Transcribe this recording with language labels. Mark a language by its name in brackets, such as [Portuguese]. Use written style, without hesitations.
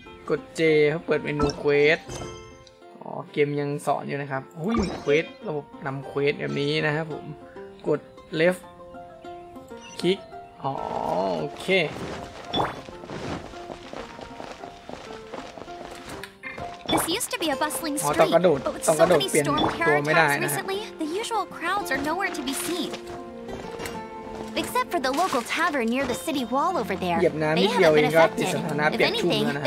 [Thai] กด J เขาเปิดเมนูเควสอ๋อเกมยังสอนอยู่นะครับอุ้ยมีเควสระบบนำเควสแบบนี้นะครับผมกด Leftคลิกอ๋อโอเค [English] This used to be a bustling street. [Thai] ต้องกระโดดต้องกระโดดเปลี่ยนตัวไม่ได้นะ [English] Recently, the usual crowds are nowhere to be seen. Except for the local tavern near the city wall over there. [Thai] เหยียบน้ำนิดเดียวเองก็ติดสถานะเปลี่ยนชุมนะฮะ